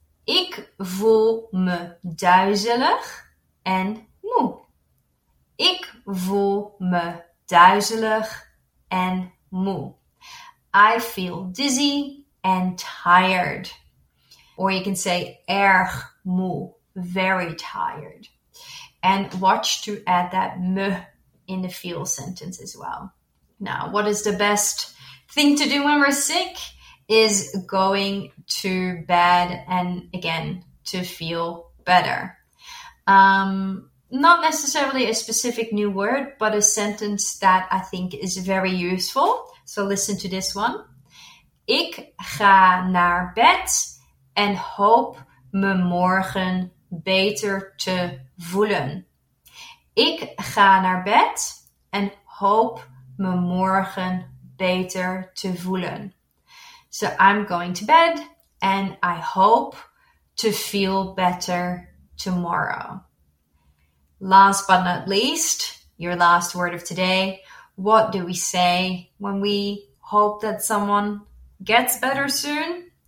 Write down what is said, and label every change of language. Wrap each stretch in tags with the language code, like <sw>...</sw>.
<nl>Ik voel me duizelig en moe. Ik voel me duizelig en moe.</nl> <en>I feel dizzy and tired. Or you can say</en> <nl>erg moe,</nl> <en>very tired. And watch to add that me in the feel sentence as well. Now, what is the best thing to do when we're sick? Is going to bed and again, to feel better. Not necessarily a specific new word, but a sentence that I think is very useful. So listen to this one.</en> <nl>Ik ga naar bed en hoop me morgen beter te voelen. Ik ga naar bed en hoop me morgen beter te voelen.</nl> <en>So I'm going to bed and I hope to feel better tomorrow. Last but not least, your last word of today. What do we say when we hope that someone gets better soon?</en>